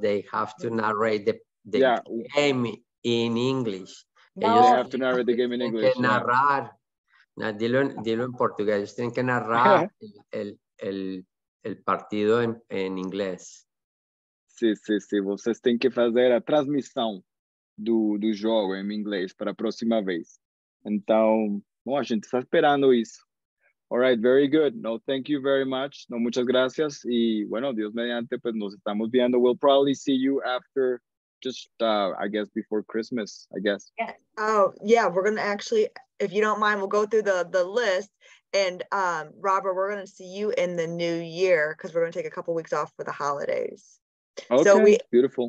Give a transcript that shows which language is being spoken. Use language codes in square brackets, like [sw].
[en] They have to narrate the game in English. They have to narrate the game in English. [es] Que narrar. Dilo en portugués. Ellos tienen que narrar el partido en inglés. Sí, sí, sí. Ustedes tienen que hacer la transmisión del juego en inglés para la próxima vez. [pt] Então, bom, a gente está esperando isso. [en] All right, very good. No, thank you very much. [es] No, muchas gracias. Y bueno, Dios mediante, pues nos estamos viendo. [en] We'll probably see you after, just before Christmas, I guess. Yeah. Oh, yeah, we're going to actually, if you don't mind, we'll go through the list. And Robert, we're going to see you in the new year because we're going to take a couple weeks off for the holidays. Okay, so beautiful.